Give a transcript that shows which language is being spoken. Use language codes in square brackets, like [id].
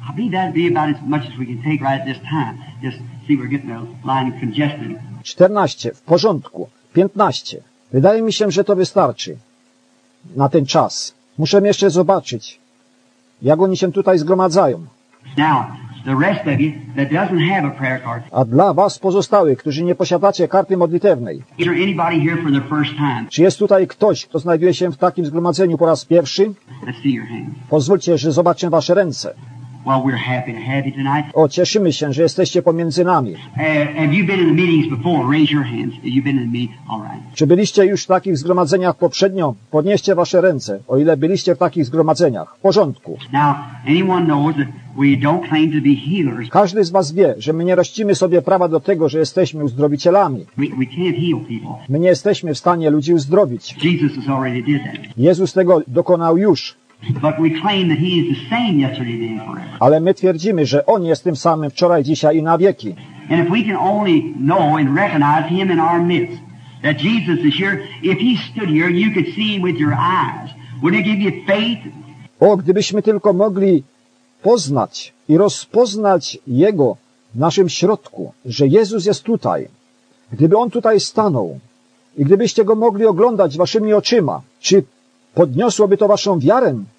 [en] That'd be about as much as we can take right at this time. Just see, we're getting the line congested. [pl] 14. W porządku. 15. Wydaje mi się, że to wystarczy na ten czas. Muszę jeszcze zobaczyć, jak oni się tutaj zgromadzają. [en] Now, the rest of you that doesn't have a prayer card. [pl] A dla was pozostałych, którzy nie posiadacie karty modlitewnej. [en] Is there anybody here for the first time? [pl] Czy jest tutaj ktoś, kto znajduje się w takim zgromadzeniu po raz pierwszy? [en] Let's see your hands. [pl] Pozwólcie, że zobaczę wasze ręce. [en] Well, we're happy to have you tonight. [pl] O, cieszymy się, że jesteście pomiędzy nami. [en] Have you been in the meetings before? Raise your hands. Have you been in the meeting? All right. [pl] Czy byliście już w takich zgromadzeniach poprzednio? Podnieście wasze ręce, o ile byliście w takich zgromadzeniach. W porządku. [en] Now, anyone knows that we don't claim to be healers. [pl] Każdy z was wie, że my nie rościmy sobie prawa do tego, że jesteśmy uzdrowicielami. [en] We can't heal people. [pl] My nie jesteśmy w stanie ludzi uzdrowić. [en] Jesus has already did that. [pl] Jezus tego dokonał już. [en] But we claim that he is the same yesterday, today, and forever. [pl] Ale my twierdzimy, że on jest tym samym wczoraj, dzisiaj i na wieki. [en] And if we can only know and recognize him in our midst, that Jesus is here, if he stood here, you could see him with your eyes. Would it give you faith? [pl] O, gdybyśmy tylko mogli poznać i rozpoznać Jego w naszym środku, że Jezus jest tutaj. Gdyby On tutaj stanął i gdybyście Go mogli oglądać waszymi oczyma, czy podniosłoby to waszą wiarę?